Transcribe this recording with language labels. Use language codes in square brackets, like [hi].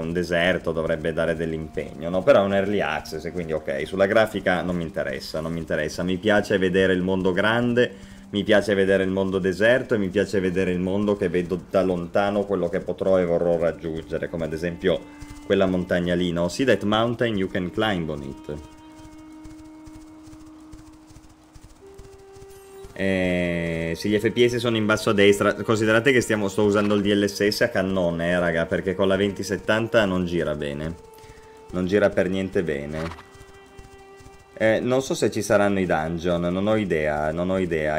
[it] Un deserto dovrebbe dare dell'impegno, no? Però è un early access, quindi ok. Sulla grafica non mi interessa. Mi piace vedere il mondo grande, mi piace vedere il mondo deserto e mi piace vedere il mondo che vedo da lontano, quello che potrò e vorrò raggiungere, come ad esempio quella montagna lì, no? [en] See that mountain, you can climb on it. [it] Se gli FPS sono in basso a destra, considerate che sto usando il DLSS a cannone, raga, perché con la 2070 non gira bene. Non gira per niente bene. Non so se ci saranno i dungeon, non ho idea.